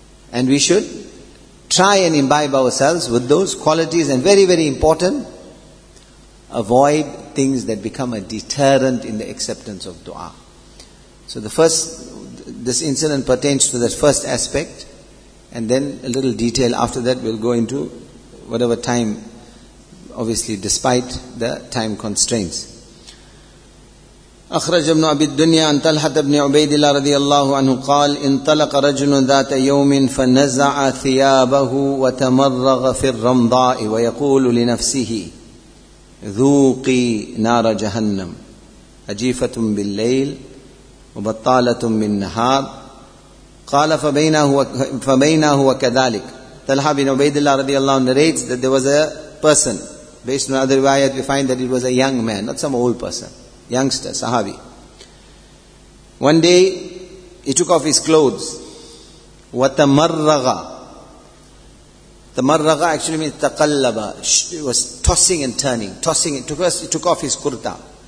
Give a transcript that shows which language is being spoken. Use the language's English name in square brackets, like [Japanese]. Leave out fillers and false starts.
[English] And we should try and imbibe ourselves with those qualities, and very, very important, avoid things that become a deterrent in the acceptance of dua. So this incident pertains to that first aspect, and then a little detail after that we'll go into whatever time, obviously despite the time constraints. [Arabic] أخرج ابن أبي الدنيا عن طلحة بن عبيد الله رضي الله عنه قال انطلق رجل ذات يوم فنزع ثيابه وتمرغ في الرمضاء ويقول لنفسه ذوقي نار جهنم أجيفة بالليل وبطالة بالنهار قال فبينه وكذلك طلحة بن عبيد الله رضي الله عنه [English] narrates that there was a person. Based on other riwayat, we find that it was a young man, not some old person, youngster, sahabi. One day he took off his clothes. وَتَمَرَّغَ. Tamarraga actually means taqallaba. He was tossing and turning. Tossing. First he took off his kurta.